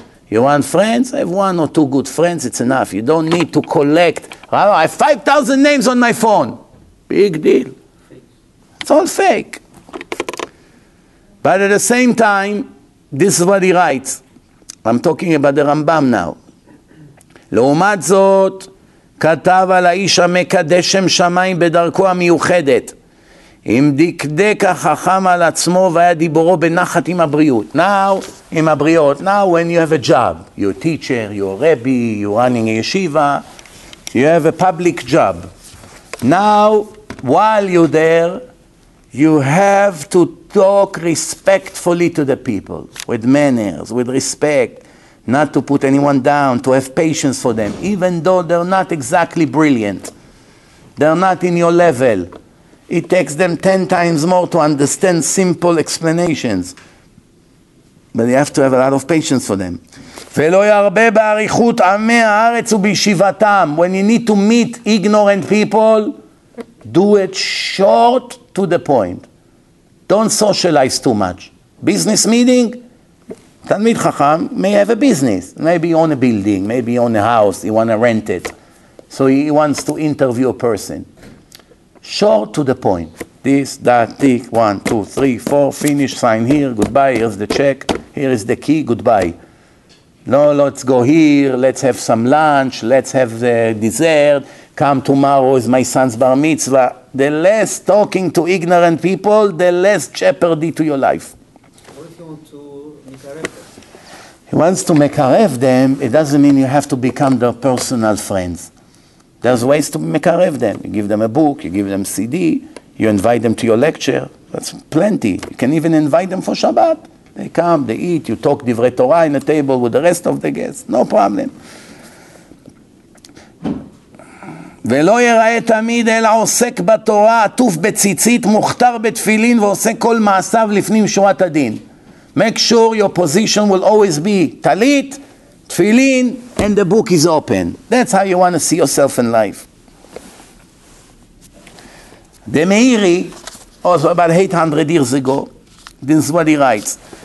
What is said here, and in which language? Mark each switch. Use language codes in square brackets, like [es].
[en] You want friends? I have one or two good friends. It's enough. You don't need to collect. Rabbi, I have 5,000 names on my phone. Big deal. It's all fake. But at the same time, this is what he writes. I'm talking about the Rambam now. [he] לעומת זאת, כתב על האיש המקדש שם שמיים בדרכו המיוחדת, אם דקדק החכם על עצמו והיה דיבורו בנחת עם הבריאות. [en] Now, when you have a job, you're a teacher, you're a rabbi, you're running a yeshiva, you have a public job. Now, while you're there, you have to talk respectfully to the people, with manners, with respect, not to put anyone down, to have patience for them, even though they're not exactly brilliant. They're not in your level. It takes them 10 times more to understand simple explanations. But you have to have a lot of patience for them. [he] ולא ירבה באריכות עמי הארץ ובישיבתם. [en] When you need to meet ignorant people, do it short to the point. Don't socialize too much. Business meeting? תלמיד חכם may have a business. Maybe own a building, maybe own a house, he want to rent it. So he wants to interview a person. Short to the point. This, that, tick, 1, 2, 3, 4, finish, sign here, goodbye, here's the check, here is the key, goodbye. No, let's go here, let's have some lunch, let's have the dessert, come tomorrow is my son's bar mitzvah. The less talking to ignorant people, the less jeopardy to your life. He wants to mekarev them, it doesn't mean you have to become their personal friends. There's ways to mekarev them. You give them a book, you give them CD, you invite them to your lecture. That's plenty. You can even invite them for Shabbat. They come, they eat, you talk divrei Torah in the table with the rest of the guests. No problem. [he] ולא יראה תמיד אלא עוסק בתורה, עטוף בציצית, מוכתר בתפילין ועושה כל מעשיו לפנים שורת הדין. [en] Make sure your position will always be talit, tefillin, and the book is open. That's how you want to see yourself in life. The Meiri, also about 800 years ago, this is what he writes.